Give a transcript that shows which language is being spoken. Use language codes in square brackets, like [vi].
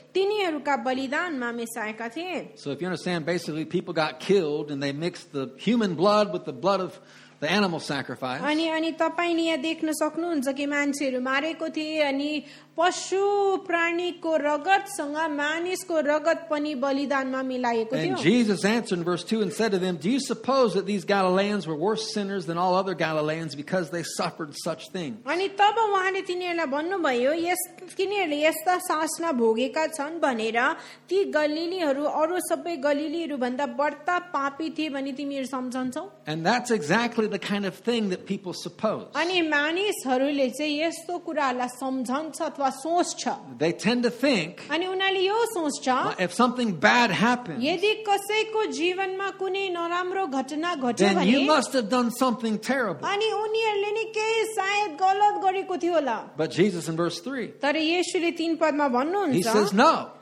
[en] So if you understand, basically people got killed and they mixed the human blood with the blood of the animal sacrifice. [ne] अनि तपाईले यहाँ देख्न सक्नुहुन्छ कि मान्छेहरू मारेको थिए अनि पशु प्राणीको रगतसँग मानिसको रगत पनि बलिदानमा मिलाएको थियो. [en] And Jesus answered in verse 2 and said to them, Do you suppose that these Galileans were worse sinners than all other Galileans because they suffered such things? [ne] अनि तब उहाँले तिनीहरूलाई भन्नुभयो, यस तिनीहरूले यस्ता शासना भोगेका छन् भनेर ती गलिलीहरू अरू सबै गलिलीहरू भन्दा बढ्ता पापी थिए भनी तिमीहरू सम्झन्छौ? [en] And that's exactly the kind of thing that people suppose. [ne] अनि मानिसहरूले चाहिँ यस्तो कुरालाई सम्झन्छ. [en] They tend to think if something bad happens, then you must have done something terrible. But Jesus in verse 3, he says no.